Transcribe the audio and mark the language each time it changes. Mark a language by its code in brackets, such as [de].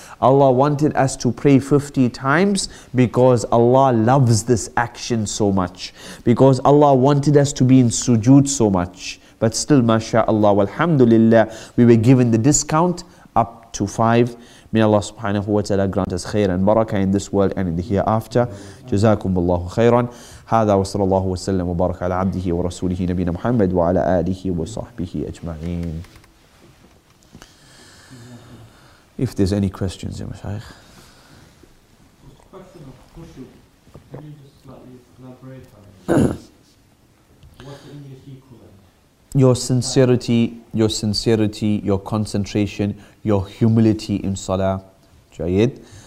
[en] Allah wanted us to pray 50 times because Allah loves this action so much. Because Allah wanted us to be in sujood so much. But still, mashallah, walhamdulillah, we were given the discount up to 5. May Allah subhanahu wa ta'ala grant us khair and barakah in this world and in the hereafter. Jazakum Allahu khairan. [ar] هذا وصلى الله وسلم وبارك على عبده ورسوله نبينا محمد وعلى آله وصحبه أجمعين. [en] If there's any questions, yeah, Mashaykh. Question of khushu. Can you just slightly elaborate on it? What's the English equivalent? Your sincerity, your concentration, your humility in salah. Jayid.